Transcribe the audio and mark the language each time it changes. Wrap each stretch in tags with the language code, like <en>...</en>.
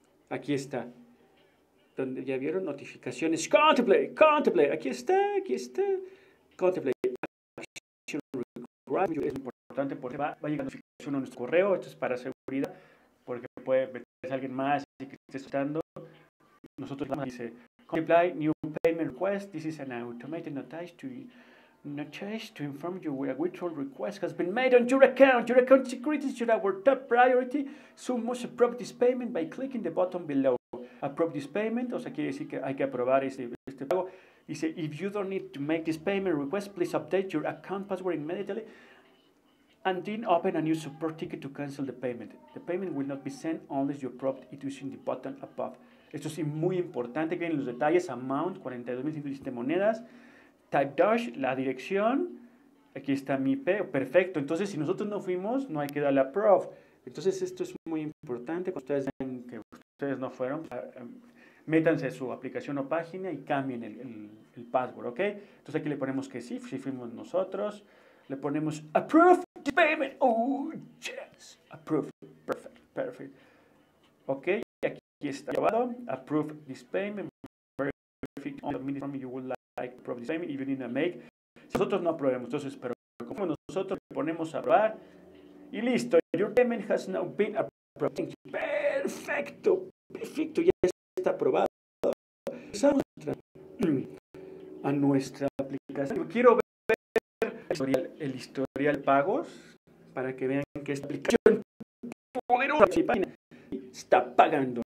<es>Aquí está. ¿Dónde ya vieron? Notificaciones. ¡Contemplate! ¡Contemplate! Aquí está, aquí está. ¡Contemplate! Es importante porque va llegando uno a nuestro correo. Esto es para seguridad, porque puede meterse alguien más y que esté soltando. Nosotros vamos a decir,</es> <en>comply new payment request. This is an automated notice to inform you where a withdrawal request has been made on your account. Your account security is our top priority, so must approve this payment by clicking the button below. Approve this payment,</en> <es>o sea, quiere decir que hay que aprobar este pago. Dice,</es> <en>if you don't need to make this payment request, please update your account password immediately and then open a new support ticket to cancel the payment. The payment will not be sent unless you approve it using the button above.</en> <es>Esto es muy importante, que vienen los detalles. Amount, 42.117 monedas. Type Doge, la dirección. Aquí está mi IP. Perfecto. Entonces, si nosotros no fuimos, no hay que darle approve. Entonces, esto es muy importante. Cuando ustedes ven que ustedes no fueron... Métanse a su aplicación o página y cambien el password, ¿ok? Entonces aquí le ponemos que sí, si fuimos nosotros. Le ponemos</es> <en>approve the payment. Oh, yes. Approve. Perfect. Perfect.</en> <es>Ok, aquí está llevado.</es> <en>Approve this payment. Verify on the minimum you would like to approve this payment if you need to make.</en> <es>Si nosotros no aprobamos, entonces, pero como nosotros le ponemos a aprobar. Y listo.</es> <en>Your payment has now been approved.</en> <es>Perfecto. Perfecto. Ya está aprobado. Pasamos a nuestra aplicación. Yo quiero ver el historial pagos para que vean que esta aplicación poderosa está pagando.</es>